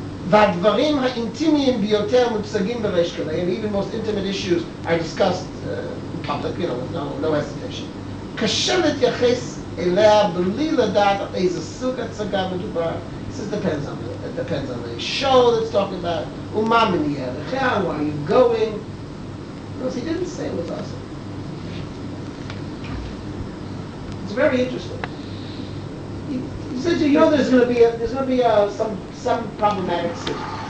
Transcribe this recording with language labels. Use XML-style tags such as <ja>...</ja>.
<he>והדברים האינטימיים ביותר מוצגים בריש גלי,</he> <en>and even most intimate issues are discussed in public, you know, with no hesitation.</en> <he>קשה להתייחס אליה בלי לדעת איזה סוג הצגה מדובר.</he> <en>This depends on it. It depends on the show that's talking about.</en> <he>ומה מניע אליך?</he> <en>Where are you going? No, he didn't say it was awesome. It's very interesting. He said, you know, there's going to be some problematic scene.</en>